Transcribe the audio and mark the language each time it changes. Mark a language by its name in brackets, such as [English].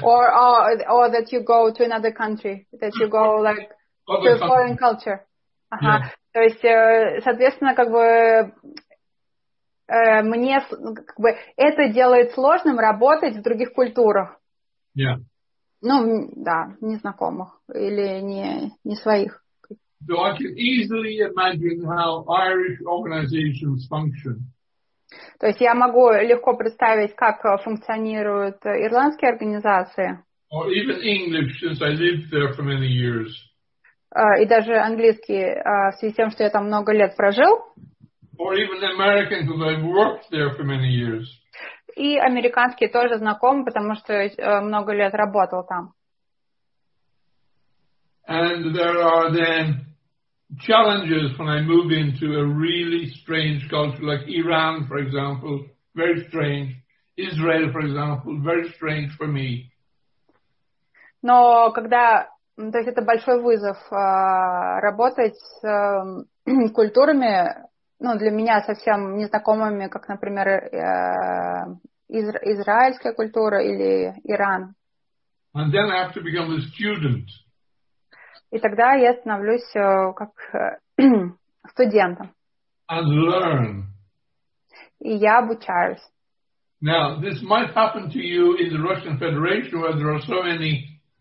[English] Or that you go to another country, that you go like other to a foreign culture. Uh-huh. Yeah. [Russian] То есть, соответственно, как бы мне как бы это делает сложным работать в других культурах. Yeah. Незнакомых или не своих. [English] So I can easily imagine how Irish organizations function. [Russian] То есть я могу легко представить, как функционируют ирландские организации. [English] Or even English, since I lived there for many years. [Russian] И даже английский, в связи с тем, что я там много лет прожил. [English] Or even American, because I've worked there for many years. [Russian] И американский тоже знаком, потому что много лет работал там. [English] And there are then challenges when I move into a really strange culture, like Iran, for example, very strange. Israel, for example, very strange for me. [Russian] Но когда, то есть это большой вызов работать с культурами, для меня совсем незнакомыми, как, например, израильская культура или Иран. [English] And then I have to become a student. [Russian] И тогда я становлюсь как студентом. [English] And learn. [Russian] И я обучаюсь. [English] Now, this might happen to you in the Russian Federation, where there are so many